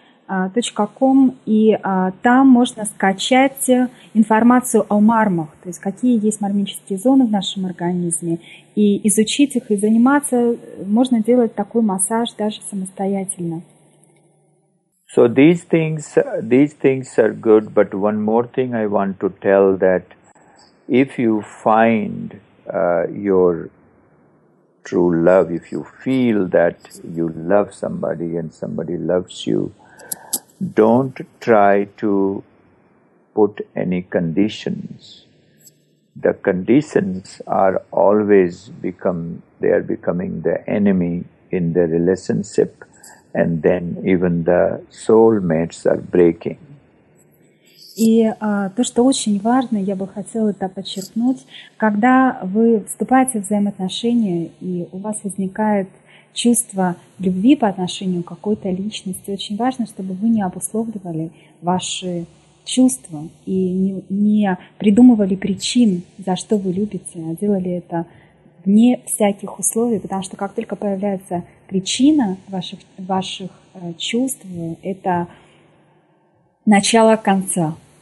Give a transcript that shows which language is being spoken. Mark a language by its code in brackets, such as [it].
[ru] .com, и там можно скачать информацию о мармах, то есть какие есть мармические зоны в нашем организме, и изучить их, и заниматься, можно делать такой массаж даже самостоятельно. [en] So these things are good, but one more thing I want to tell, that if you find your true love, if you feel that you love somebody and somebody loves you, don't try to put any conditions. The conditions are always becoming the enemy in the relationship, and then even the soulmates are breaking. [ru] И то, что очень важно, я бы хотела это подчеркнуть, когда вы вступаете в взаимоотношения и у вас возникает чувство любви по отношению к какой-то личности, очень важно, чтобы вы не обусловливали ваши чувства и не придумывали причин, за что вы любите, а делали это вне всяких условий, потому что как только появляется причина ваших чувств, это начало конца.